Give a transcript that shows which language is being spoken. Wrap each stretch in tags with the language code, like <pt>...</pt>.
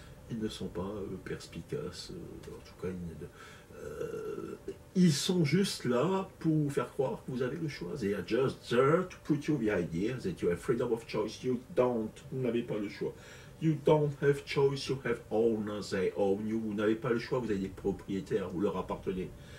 <fr>Ils ne sont pas perspicaces, en tout cas, ils sont juste là pour vous faire croire que vous avez le choix.</fr> <en>They are just there to put you the idea that you have freedom of choice. You don't,</en> <fr>vous n'avez pas le choix.</fr> <en>You don't have choice, you have owners, they own you.</en> <fr>Vous n'avez pas le choix, vous avez des propriétaires, vous leur appartenez.</fr>